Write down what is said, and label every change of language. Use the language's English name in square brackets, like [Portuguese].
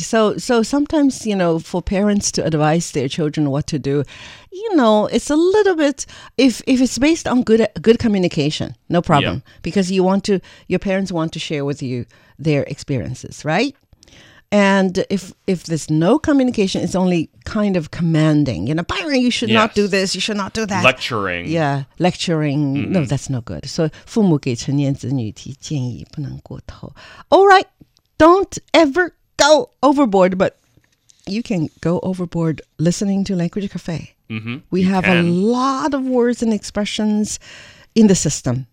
[English] So sometimes, you know, for parents to advise their children what to do, you know, it's a little bit, if it's based on good communication, no problem. Yeah. Because your parents want to share with you their experiences, right? And if there's no communication, it's only kind of commanding. You know, Byron, you should not do this, you should not do that. Lecturing. Yeah, lecturing. Mm-hmm. No, that's no good. [Chinese] So, 父母给成年子女提建议不能过头。 [English] All right, don't ever go overboard, but you can go overboard listening to Language Cafe. We have a lot of words and expressions in the system.